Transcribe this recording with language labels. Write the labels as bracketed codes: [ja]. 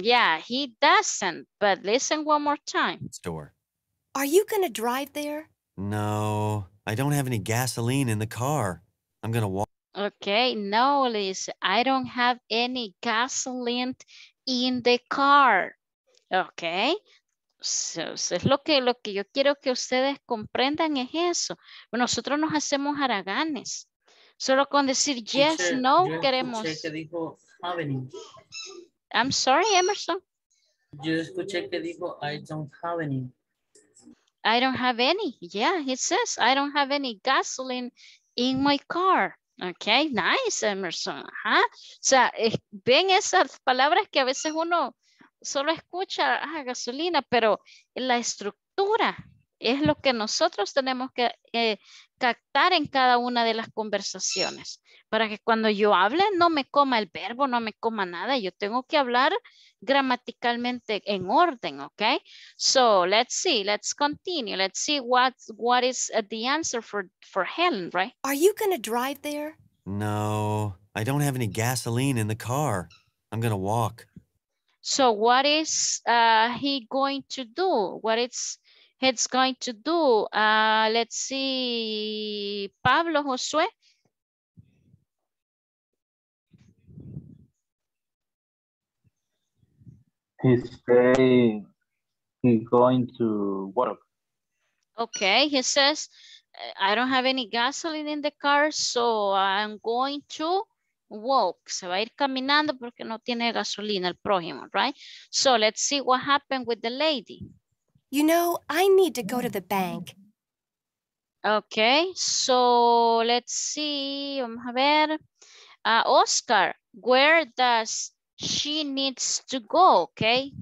[en] Yeah, he doesn't, but listen one more time. Store. Are you going to drive there? No, I don't have any gasoline in the car. I'm going to walk. Okay, no, Liz, I don't have any gasoline in the car. [es] Okay, so lo que yo quiero que ustedes comprendan es eso. Nosotros nos hacemos haraganes. Solo con decir yes, [en] teacher, [es] no, queremos. Que dijo avenue. [en] I'm sorry, Emerson. [es] Yo escuché que dijo, [en] I don't have any. I don't have any. Yeah, he says, I don't have any gasoline in my car. Okay, nice, Emerson. Ajá. [es] O sea, ven esas palabras que a veces uno solo escucha, ah, gasolina, pero la estructura es lo que nosotros tenemos que captar en cada una de las conversaciones. Para que cuando yo hable, no me coma el verbo, no me coma nada. Yo tengo que hablar gramaticalmente en orden, ¿ok? [en] So, let's see, let's continue. Let's see what is the answer for Helen, right? Are you going to drive there? No, I don't have any gasoline in the car. I'm going to walk. So what is he going to do? What is he going to do? Let's see, Pablo, Josué. He's saying he's going to work. Okay, he says, I don't have any gasoline in the car, so I'm going to walk. [es] Se va a ir caminando porque no tiene gasolina el prójimo, right? [en] So let's see what happened with the lady. You know, I need to go to the bank. Okay, so let's see, [es] vamos a ver. [en] Oscar, where does she needs to go, okay?